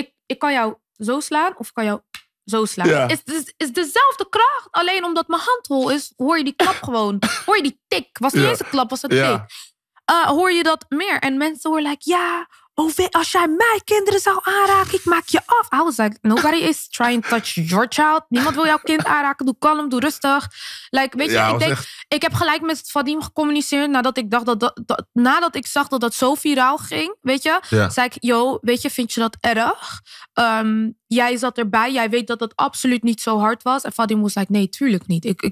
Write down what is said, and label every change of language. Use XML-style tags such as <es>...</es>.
<nl>Ik kan jou zo slaan of ik kan jou zo slaan. Ja. Is dezelfde kracht. Alleen omdat mijn hand hol is, hoor je die klap gewoon. Hoor je die tik. Was niet eens een klap, was het tik. Hoor je dat meer? En mensen horen like, ja... Als jij mijn kinderen zou aanraken, ik maak je af.</nl> <en>I was like, nobody is trying to touch your child.</en> <nl>Niemand wil jouw kind aanraken. Doe kalm, doe rustig. Like, weet je, ik heb gelijk met Vadim gecommuniceerd nadat ik dacht nadat ik zag dat zo viraal ging, weet je, zei ik, yo, weet je, vind je dat erg? Jij zat erbij, jij weet dat absoluut niet zo hard was. En Vadim was like, nee, tuurlijk niet.</nl>